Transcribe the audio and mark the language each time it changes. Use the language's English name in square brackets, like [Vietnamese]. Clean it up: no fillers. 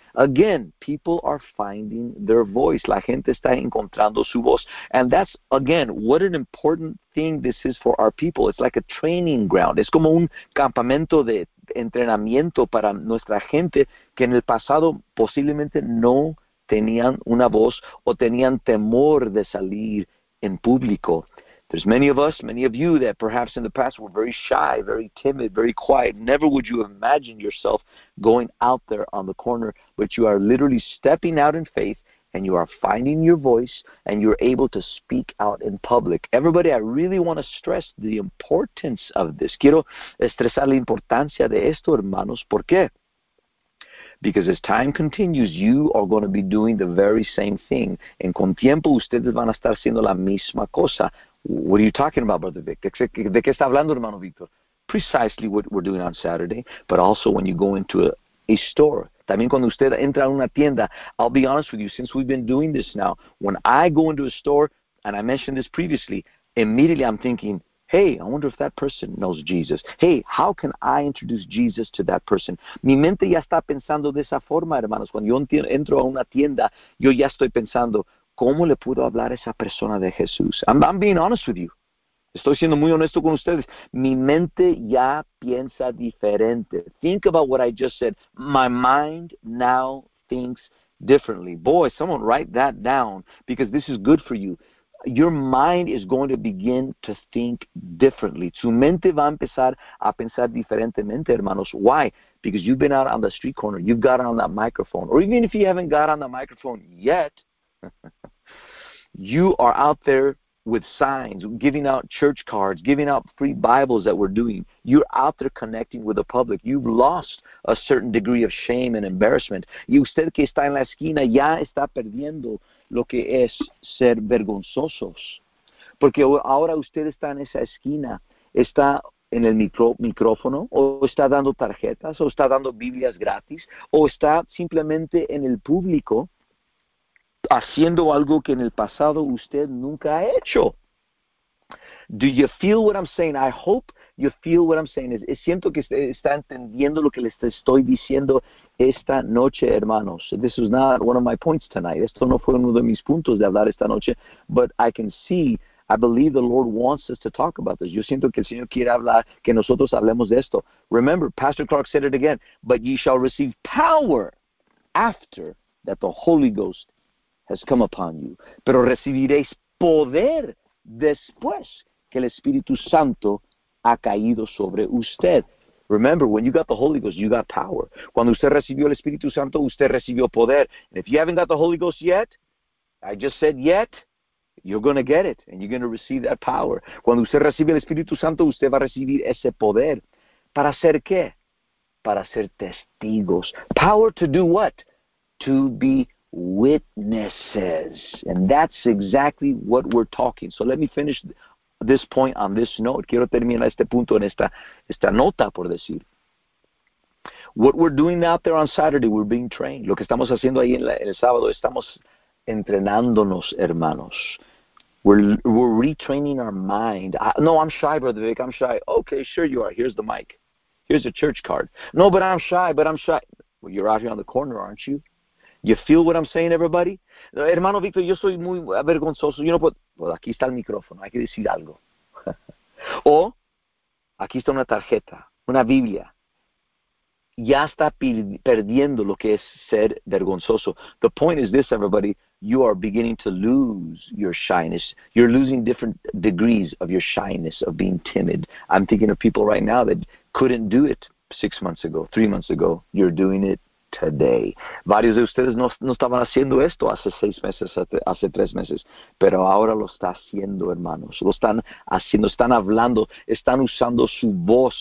[English] Again, people are finding their voice. [Spanish] La gente está encontrando su voz. [English] And that's, again, what an important thing this is for our people. It's like a training ground. [Spanish] Es como un campamento de entrenamiento para nuestra gente que en el pasado posiblemente no tenían una voz o tenían temor de salir en público. [English] There's many of us, many of you that perhaps in the past were very shy, very timid, very quiet. Never would you imagine yourself going out there on the corner, but you are literally stepping out in faith and you are finding your voice and you're able to speak out in public. Everybody, I really want to stress the importance of this. [Spanish] Quiero estresar la importancia de esto, hermanos. ¿Por qué? [English] Because as time continues, you are going to be doing the very same thing. [Spanish] En con tiempo, ustedes van a estar haciendo la misma cosa. [English] What are you talking about, Brother Vic? [Spanish] ¿De qué está hablando, hermano Victor? [English] Precisely what we're doing on Saturday, but also when you go into a store. [Spanish] También cuando usted entra a una tienda, [English] I'll be honest with you, since we've been doing this now, when I go into a store, and I mentioned this previously, immediately I'm thinking, hey, I wonder if that person knows Jesus. Hey, how can I introduce Jesus to that person? [Spanish] Mi mente ya está pensando de esa forma, hermanos. Cuando yo entro a una tienda, yo ya estoy pensando, ¿cómo le puedo hablar a esa persona de Jesús? [English] I'm being honest with you. [Spanish] Estoy siendo muy honesto con ustedes. Mi mente ya piensa diferente. [English] Think about what I just said. My mind now thinks differently. Boy, someone write that down because this is good for you. Your mind is going to begin to think differently. [Spanish] Tu mente va a empezar a pensar diferentemente, hermanos. [English] Why? Because you've been out on the street corner. You've got on that microphone. Or even if you haven't got on the microphone yet, you are out there with signs, giving out church cards, giving out free Bibles that we're doing. You're out there connecting with the public. You've lost a certain degree of shame and embarrassment. [Spanish] Y usted que está en la esquina ya está perdiendo lo que es ser vergonzosos. Porque ahora usted está en esa esquina, está en el micrófono, o está dando tarjetas, o está dando Biblias gratis, o está simplemente en el público haciendo algo que en el pasado usted nunca ha hecho. [English] Do you feel what I'm saying? I hope you feel what I'm saying. [Spanish] Siento que está entendiendo lo que le estoy diciendo esta noche, hermanos. [English] This is not one of my points tonight. [Spanish] Esto no fue uno de mis puntos de hablar esta noche. [English] But I can see, I believe the Lord wants us to talk about this. [Spanish] Yo siento que el Señor quiere hablar, que nosotros hablemos de esto. [English] Remember, Pastor Clark said it again, but ye shall receive power after that the Holy Ghost has come upon you. [Spanish] Pero recibiréis poder después que el Espíritu Santo ha caído sobre usted. [English] Remember, when you got the Holy Ghost, you got power. [Spanish] Cuando usted recibió el Espíritu Santo, usted recibió poder. [English] And if you haven't got the Holy Ghost yet, I just said yet, You're going to get it, and you're going to receive that power. [Spanish] Cuando usted recibe el Espíritu Santo, usted va a recibir ese poder. ¿Para hacer qué? Para ser testigos. [English] Power to do what? To be witnesses. And that's exactly what we're talking. So let me finish this point on this note. [Spanish] Quiero terminar este punto en esta nota, por decir. [English] What we're doing out there on Saturday, we're being trained. [Spanish] Lo que estamos haciendo ahí el sábado, estamos entrenándonos, hermanos. [English] We're retraining our mind. No, I'm shy, Brother Vic. I'm shy. Okay, sure you are. Here's the mic. Here's a church card. No, but I'm shy. Well, you're out here on the corner, aren't you? You feel what I'm saying, everybody? [Spanish] Hermano Victor, yo soy muy avergonzoso. [English] You know, but well, [Spanish] aquí está el micrófono. Hay que decir algo. O aquí está una tarjeta, una Biblia. Ya está perdiendo lo que es ser vergonzoso. [English] The point is this, everybody. You are beginning to lose your shyness. You're losing different degrees of your shyness, of being timid. I'm thinking of people right now that couldn't do it 6 months ago, 3 months ago. You're doing it today. [Spanish] Varios de ustedes no estaban haciendo esto hace 6 meses, hace 3 meses. Pero ahora lo está haciendo, hermanos. Lo están haciendo, están hablando, están usando su voz.